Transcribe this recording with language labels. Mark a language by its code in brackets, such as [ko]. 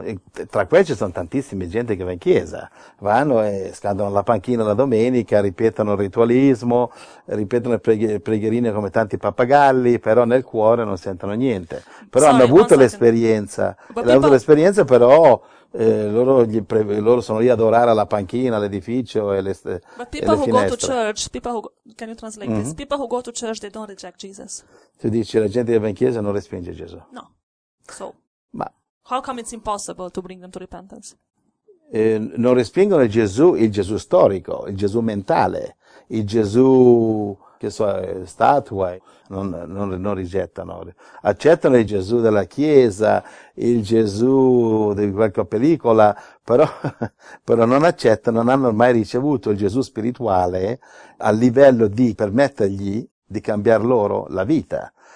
[it] E tra questi ci sono tantissime gente che va in chiesa, vanno e scaldano la panchina la domenica, ripetono il ritualismo, ripetono le preghierine come tanti pappagalli, però nel cuore non sentono niente. Però hanno avuto l'esperienza, però loro sono lì ad orare alla panchina, all'edificio e le finestre. [en] But people who go to church, can you translate this? People who go to church, they don't reject Jesus. [it] Tu dici la gente che va in chiesa non respinge Gesù. [en] No. So. [it] Ma [en] how come it's impossible to bring them to repentance? [it] Non respingono il Gesù storico, il Gesù mentale, il Gesù che so, statua, non rigettano. Accettano il Gesù della Chiesa, il Gesù di qualche pellicola, però non accettano, non hanno mai ricevuto il Gesù spirituale a livello di permettergli di cambiare loro la vita.